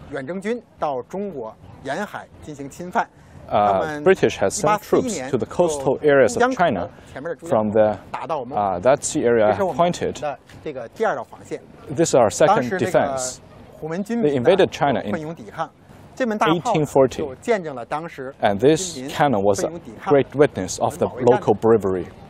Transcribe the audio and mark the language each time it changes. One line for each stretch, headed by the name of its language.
Chinese: 远征军到中国沿海进行侵犯。
English: British has sent troops to the coastal areas of China from the that sea area I pointed.
Chinese: 这个第二道防线。
English: This is our second defense.
Chinese: 当时那个虎门军
English: They invaded China in
Chinese: 奋勇抵抗。这门大炮就见证了当时
English: And this cannon was a great witness of the local bravery.